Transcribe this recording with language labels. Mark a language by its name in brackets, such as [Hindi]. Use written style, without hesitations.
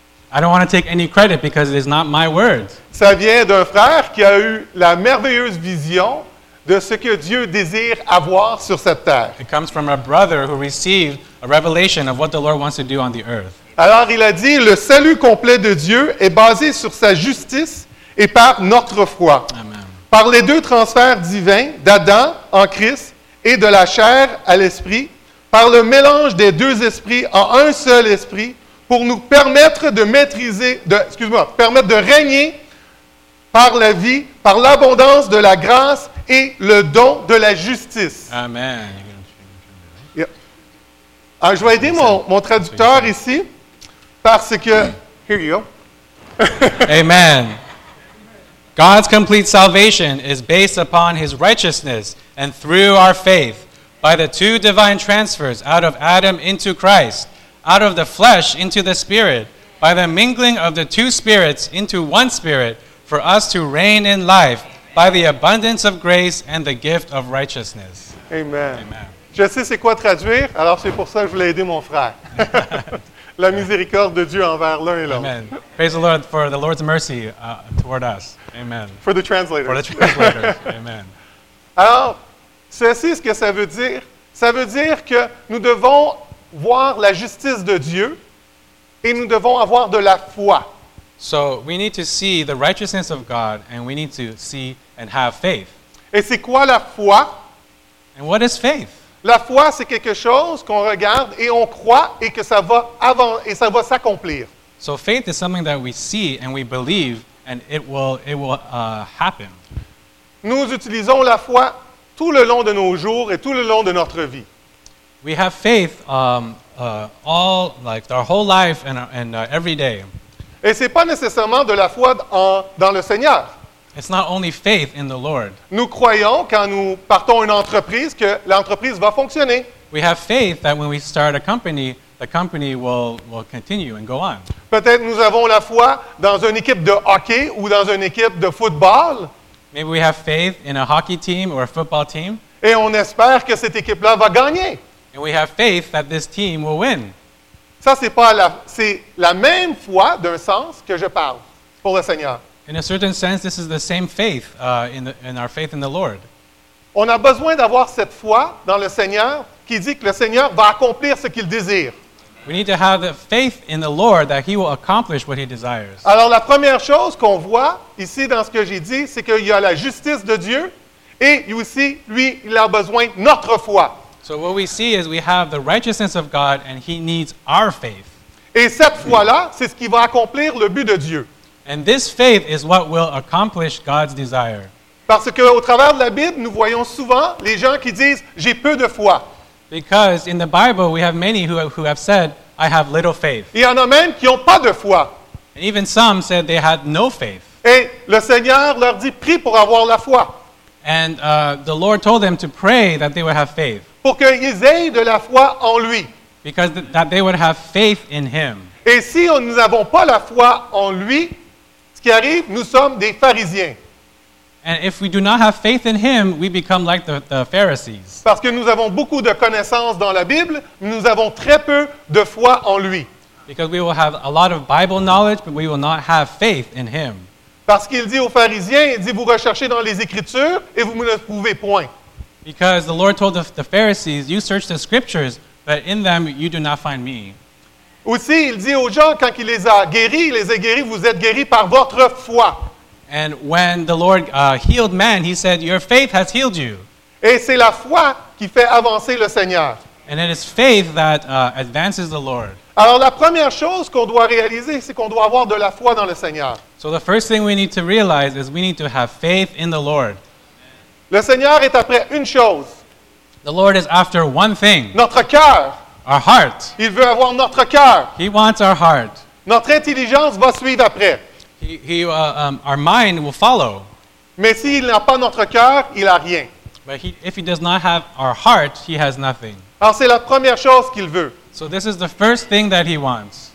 [English] I don't want to take any credit because it is not my words. [French] Ça vient d'un frère qui a eu la merveilleuse vision de ce que Dieu désire avoir sur cette terre. [English] It comes from a brother who received a revelation of what the Lord wants to do on the earth. [French] Alors, il a dit, le salut complet de Dieu est basé sur sa justice et par notre foi. Amen. Par les deux transferts divins d'Adam en Christ et de la chair à l'esprit, par le mélange des deux esprits en un seul esprit, pour nous permettre de permettre de régner par la vie, par l'abondance de la grâce et le don de la justice. Amen. Yeah. Alors, je vais aider mon traducteur ici. Parce que, [English] here you go. Amen. God's complete salvation is based upon his righteousness and through our faith, by the two divine transfers out of Adam into Christ, out of the flesh into the spirit, by the mingling of the two spirits into one spirit, for us to reign in life, by the abundance of grace and the gift of righteousness. Amen. Amen. [French] Je sais c'est quoi traduire, alors c'est pour ça que je voulais aider mon frère. La miséricorde de Dieu envers l'un et l'autre. Amen. [English] Praise the Lord for the Lord's mercy toward us. Amen. For the translators. For the translators. Amen. [French] Alors, ceci, ce que ça veut dire, que nous devons voir la justice de Dieu et nous devons avoir de la foi. [English] So, we need to see the righteousness of God and we need to see and have faith. [French] Et c'est quoi la foi? [English] And what is faith? [French] La foi, c'est quelque chose qu'on regarde et on croit et que ça va avant et ça va s'accomplir. [English] So faith is something that we see and we believe and it will happen. [French] Nous utilisons la foi tout le long de nos jours et tout le long de notre vie. [English] We have faith all like our whole life and every day. [French] Et c'est pas nécessairement de la foi dans le Seigneur. [English] It's not only faith in the Lord. [French] Nous croyons quand nous partons une entreprise que l'entreprise va fonctionner. [English] We have faith that when we start a company, the company will continue and go on. [French] Peut-être nous avons la foi dans une équipe de hockey ou dans une équipe de football. [English] Maybe we have faith in a hockey team or a football team. [French] Et on espère que cette équipe-là va gagner. [English] And we have faith that this team will win. [French] Ça, c'est pas la, c'est la même foi d'un sens que je parle pour le Seigneur. [English] In a certain sense, this is the same faith in our faith in the Lord. [French] On a besoin d'avoir cette foi dans le Seigneur qui dit que le Seigneur va accomplir ce qu'il désire. [English] We need to have the faith in the Lord that He will accomplish what He desires. [French] Alors la première chose qu'on voit ici dans ce que j'ai dit, c'est qu'il y a la justice de Dieu et aussi lui, il a besoin de notre foi. [English] So what we see is we have the righteousness of God and He needs our faith. [French] Et cette foi-là, c'est ce qui va accomplir le but de Dieu. [English] And this faith is what will accomplish God's desire. [French] Parce que au travers de la Bible, nous voyons souvent les gens qui disent j'ai peu de foi. [English] Because in the Bible we have many who have said I have little faith. [French] Il y en a même qui ont pas de foi. [English] And even some said they had no faith. [French] Et le Seigneur leur dit prie pour avoir la foi. [English] And the Lord told them to pray that they would have faith. [French] Pour qu'ils aient de la foi en lui. [English] Because that they would have faith in him. [French] Et si nous n'avons pas la foi en lui, ce qui arrive, nous sommes des pharisiens. [English] And if we do not have faith in him, we become like the Pharisees. [French] Parce que nous avons beaucoup de connaissances dans la Bible, mais nous avons très peu de foi en lui. [English] Because we will have a lot of Bible knowledge, but we will not have faith in him. [French] Parce qu'il dit aux pharisiens, il dit vous recherchez dans les écritures et vous ne trouvez point. [English] Because the Lord told the Pharisees, you search the scriptures, but in them you do not find me. [French] Aussi, il dit aux gens quand il les a guéris, vous êtes guéris par votre foi. [English] And when the Lord healed man, he said, your faith has healed you. [French] Et c'est la foi qui fait avancer le Seigneur. [English] And it is faith that advances the Lord. [French] Alors la première chose qu'on doit réaliser, c'est qu'on doit avoir de la foi dans le Seigneur. [English] So the first thing we need to realize is we need to have faith in the Lord. [French] Le Seigneur est après une chose. [English] The Lord is after one thing. [French] Notre cœur. [English] Our heart. [French] Il veut avoir notre cœur. [English] He wants our heart. [French] Notre intelligence va suivre après. [English] Our mind will follow. [French] Mais s'il n'a pas notre cœur, il n'a rien. [English] But if he does not have our heart, he has nothing. [French] Alors c'est la première chose qu'il veut. [English] So this is the first thing that he wants.